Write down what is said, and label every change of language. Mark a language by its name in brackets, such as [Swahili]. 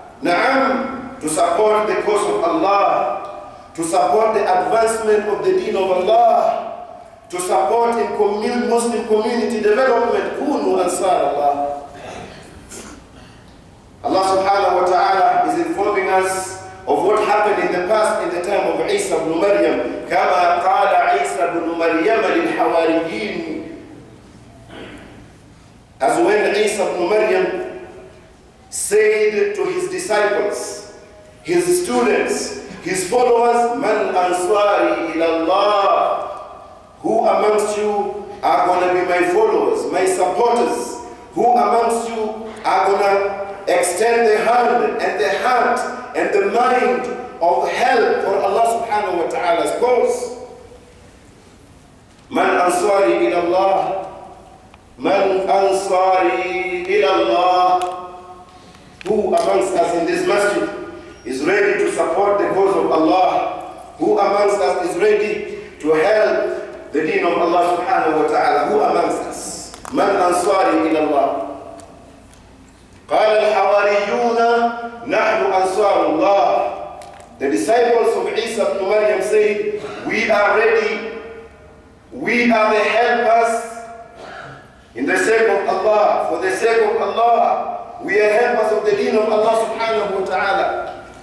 [English] نعم, to support the cause of Allah, to support the advancement of the deen of Allah, to support in Muslim community development. [Arabic] كونوا أنصار الله. [English] Allah subhanahu wa ta'ala is informing us of what happened in the past, in the time of Isa ibn Maryam. [Arabic] كما قال عيسى بن مريم للحواريين. [English] As when Isa ibn Maryam said to his disciples, his students, his followers, [Arabic] من أنصاري إلى الله. [English] Who amongst you are going to be my followers, my supporters? Who amongst you are going to extend the hand and the heart and the mind of help for Allah subhanahu wa ta'ala's cause? [Arabic] Man ansari ila Allah. Man ansari ila Allah. [English] Who amongst us in this masjid is ready to support the cause of Allah? Who amongst us is ready to help the deen of Allah subhanahu wa ta'ala? Who amongst us? [Arabic] Man ansari ila Allah. قال الحواريون نحن [English] God, the disciples of Isa ibn Maryam say, we are ready, we are the helpers in the sake of Allah, for the sake of Allah, we are helpers of the deen of Allah subhanahu wa ta'ala.